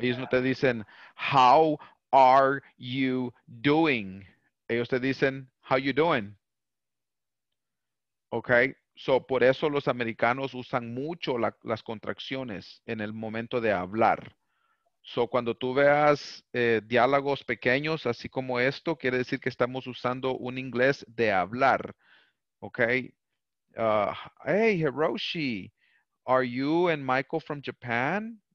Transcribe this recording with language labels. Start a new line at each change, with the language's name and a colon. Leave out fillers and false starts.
Spanish: Ellos no te dicen,
English: how are you doing?
Spanish: Ellos te dicen,
English: how you doing? Okay?
Spanish: So, por eso los americanos usan mucho la, las contracciones en el momento de hablar. So, cuando tú veas diálogos pequeños, así como esto, quiere decir que estamos usando un inglés de hablar.
English: Okay. Hey, Hiroshi, are you and Michael from Japan?